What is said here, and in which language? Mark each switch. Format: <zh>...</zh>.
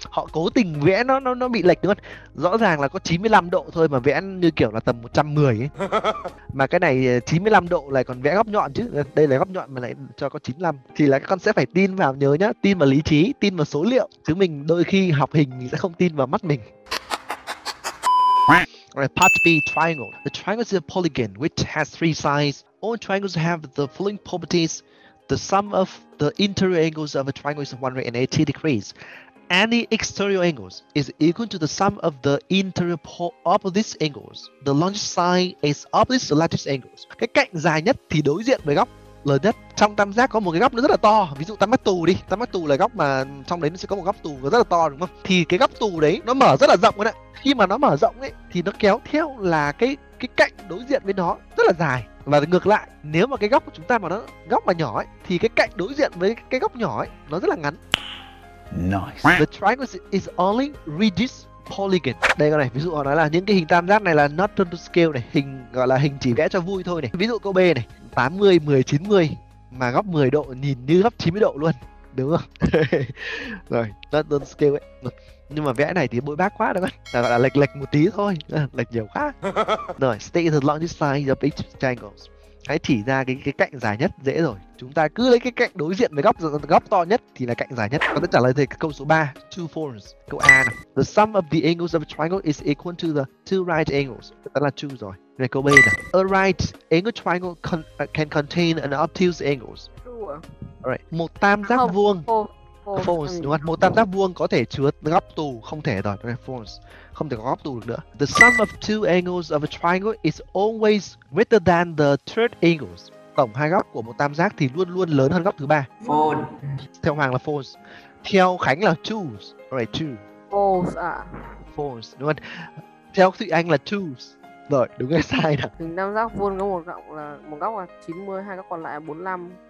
<vi>Họ cố tình vẽ nó bị lệch luôn. Rõ ràng là có 95 độ thôi mà vẽ như kiểu là tầm 110 ấy. Mà cái này 95 độ lại còn vẽ góc nhọn chứ. Đây là góc nhọn mà lại cho có 95. Thì là con sẽ phải tin vào, nhớ nhá, tin vào lý trí, tin vào số liệu. Chứ mình đôi khi học hình sẽ không tin vào mắt mình.</vi> <en>Alright, part B, triangle. The triangle is a polygon which has three sides. All triangles have the following properties. The sum of the interior angles of a triangle is 180 degrees. Any exterior angles is equal to the sum of the interior opposite angles. The longest side is opposite the largest angles.</en> <vi>Cái cạnh dài nhất thì đối diện với góc lớn nhất. Trong tam giác có một cái góc nó rất là to. Ví dụ tam giác tù đi. Tam giác tù là góc mà trong đấy nó sẽ có một góc tù rất là to, đúng không? Thì cái góc tù đấy nó mở rất là rộng đấy. Khi mà nó mở rộng ấy thì nó kéo theo là cái cạnh đối diện với nó rất là dài. Và ngược lại, nếu mà cái góc của chúng ta mà nó góc mà nhỏ ấy thì cái cạnh đối diện với cái góc nhỏ ấy nó rất là ngắn.</vi> <en>Nice. The triangle is only rigid polygon.</en> <vi>Đây con này, ví dụ họ nói là những cái hình tam giác này là not done to scale này, hình gọi là hình chỉ vẽ cho vui thôi này. Ví dụ câu B này, 80 10 90 mà góc 10 độ nhìn như góc 90 độ luôn. Đúng không? Rồi, not done to scale ấy. Nhưng mà vẽ này thì bội bác quá đấy các bạn. Gọi là lệch lệch một tí thôi, lệch nhiều quá.</vi> <en>Rồi, state the longest side of each triangle.</en> <vi>Hãy chỉ ra cái cạnh dài nhất, dễ rồi. Chúng ta cứ lấy cái cạnh đối diện với góc to nhất thì là cạnh dài nhất. Con sẽ trả lời thầy câu số 3.</vi> <en>Two forms.</en> <vi>Câu A nào.</vi> <en>The sum of the angles of a triangle is equal to the two right angles.</en> <vi>Đó là two rồi. Này câu B nào.</vi> <en>A right angle triangle can contain an obtuse angles. Alright.</en> <vi>Một tam giác vuông. False, đúng không? Một tam giác vuông có thể chứa góc tù, không thể rồi. False, không thể có góc tù được nữa.</vi> <en>The sum of two angles of a triangle is always greater than the third angles.</en> <vi>Tổng hai góc của một tam giác thì luôn luôn lớn hơn góc thứ ba.</vi> <en>False.</en> <vi>Theo Hoàng là false. Theo Khánh là true.</vi> <en>Alright, true.</en> <vi>False à? False, đúng không? Theo Thụy Anh là true. Rồi, đúng hay sai nào? Hình tam giác vuông có một góc là 90, hai góc còn lại 45.</vi>